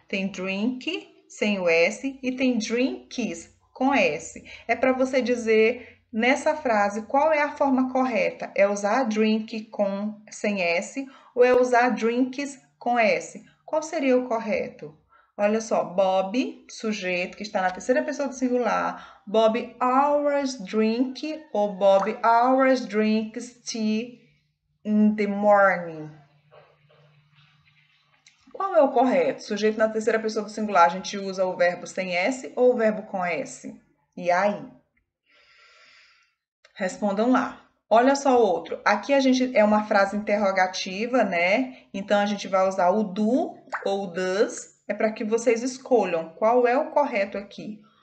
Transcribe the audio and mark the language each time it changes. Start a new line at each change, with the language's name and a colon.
Portuguese: Tem drink sem o S e tem drinks com S. É para você dizer nessa frase qual é a forma correta. É usar drink com sem S ou é usar drinks com S? Qual seria o correto? Olha só, Bob, sujeito que está na terceira pessoa do singular.
English: Bob always drink ou Bob always drinks tea in the morning.
Portuguese: Qual é o correto? Sujeito na terceira pessoa do singular, a gente usa o verbo sem S ou o verbo com S? E aí? Respondam lá. Olha só outro. Aqui a gente é uma frase interrogativa, né? Então a gente vai usar o do ou does. É para que vocês escolham qual é o correto aqui.